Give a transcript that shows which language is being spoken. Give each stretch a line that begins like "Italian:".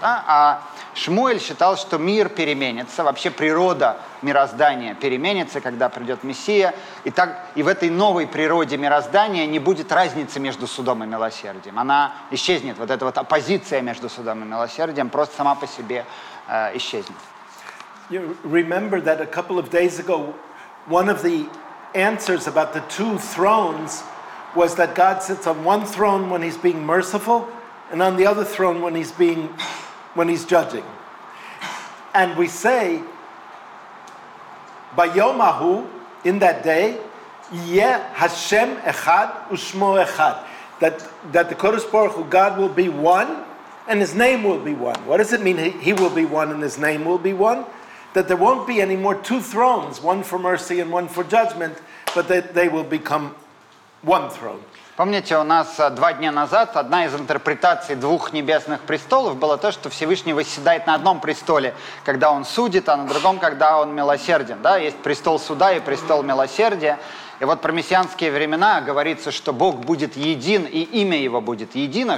Russian: Да, а Шмуэль считал, что мир переменится, вообще природа мироздания переменится, когда придет Мессия, и так и в этой новой природе мироздания не будет разницы между судом и милосердием. Она исчезнет, вот эта вот оппозиция между судом и милосердием просто сама по себе исчезнет.
English: You remember that a couple of days ago one of the answers about the two thrones was that God sits on one throne when he's being merciful and on the other throne when he's judging. And we say Bayomahu, in that day,
Hebrew: Ye Hashem Echad Ushmo Echad,
English: that the Kodesh Baruch Hu, God will be one and his name will be one. What does it mean he will be one and his name will be one? That there won't be any more two thrones, one for mercy and one for judgment, but that they will become one throne.
Russian: Помните, у нас два дня назад одна из интерпретаций двух небесных престолов была то, что Всевышний восседает на одном престоле, когда он судит, а на другом, когда он милосерден. Да? Есть престол суда и престол милосердия. И вот про мессианские времена говорится, что Бог будет един, и имя его будет едино.